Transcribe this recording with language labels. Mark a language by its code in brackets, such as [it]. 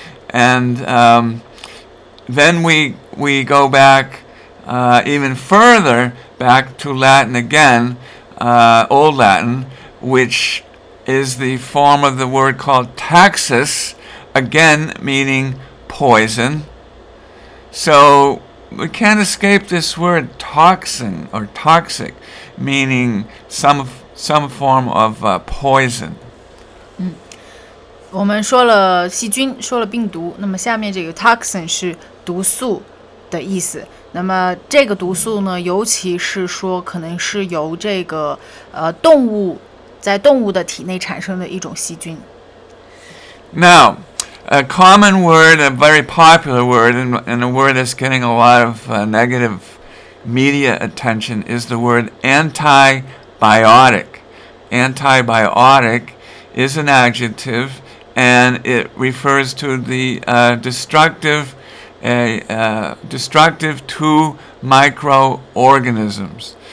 [en] And then we go back even further, back to Latin again, Old Latin, which is the form of the word called taxus, again, meaning poison. So we can't escape this word toxin or toxic, meaning some form of poison. [zh] 我们说了细菌，说了病毒，那么下面这个 toxin 是毒素的意思。那么这个毒素呢，尤其是说可能是由这个动物在动物的体内产生的一种细菌。 [en] Now,a common word, a very popular word, and a word that's getting a lot of negative media attention is the word antibiotic. Antibiotic is an adjective, and it refers to the destructive to microorganisms.